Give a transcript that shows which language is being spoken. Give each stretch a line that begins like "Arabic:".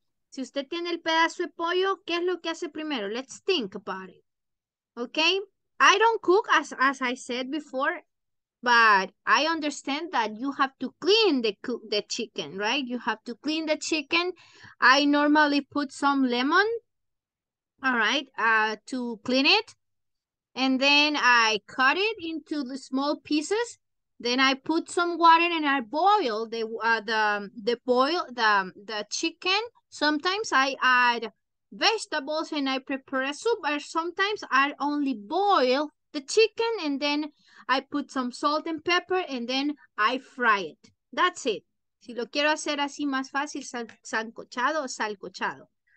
Spanish: Si usted tiene el pedazo de pollo, ¿qué es lo que hace primero?
English: Let's think about it. Okay? I don't cook, as I said before, but I understand that you have to clean the chicken, right? You have to clean the chicken. I normally put some lemon, all right, to clean it. And then I cut it into the small pieces. Then I put some water and I boil the chicken. Sometimes I add vegetables and I prepare a soup, or sometimes I only boil the chicken and then I put some salt and pepper and then I fry it. That's it.
Spanish: Si lo quiero hacer así más fácil, sancochado o salcochado.